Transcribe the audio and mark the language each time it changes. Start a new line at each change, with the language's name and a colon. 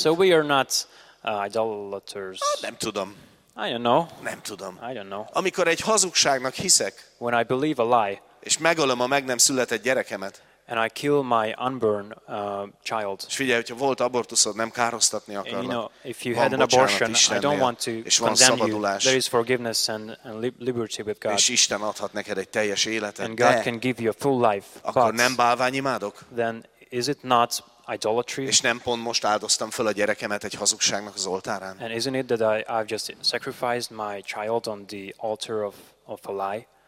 English: So we are not idolaters.
Hungarian: Nem tudom.
English: I don't know.
Hungarian: Nem tudom.
English: I don't know.
Hungarian: Amikor egy hazugságnak hiszek,
English: when I believe a lie,
Hungarian: és megölöm a meg nem született gyerekemet,
English: and I kill my unborn child.
Hungarian: És figyelj, hogyha volt abortuszod, nem károsztatni akarlak.
English: You know, if you had an abortion, I don't want to condemn you. There is forgiveness and liberty with God.
Hungarian: És Isten adhat neked egy teljes életet.
English: And God can give you a full life.
Hungarian: Akkor nem bálványimádok?
English: Then is it not idolatry?
Hungarian: És nem pont most áldoztam föl a gyerekemet egy hazugságnak az oltárán?
English: And isn't it that I've just sacrificed my child on the altar of a lie?